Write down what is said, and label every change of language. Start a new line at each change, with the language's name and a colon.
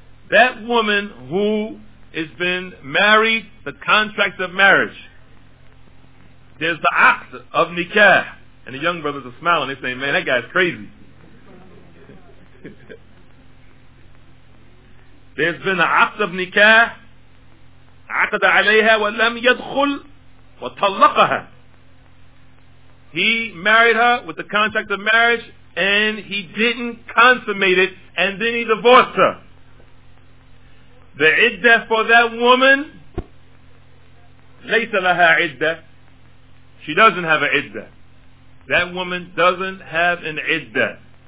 English: That woman who has been married, the contract of marriage, there's the act of nikah. And the young brothers are smiling. They say, man, that guy's crazy. There's been an act of nikah.
Arabic: عقد عليها ولم يدخل وطلقها.
English: He married her with the contract of marriage and he didn't consummate it and then he divorced her. The iddah for that woman,
Arabic: ليس لها
English: iddah. She doesn't have an iddah. That woman doesn't have an iddah.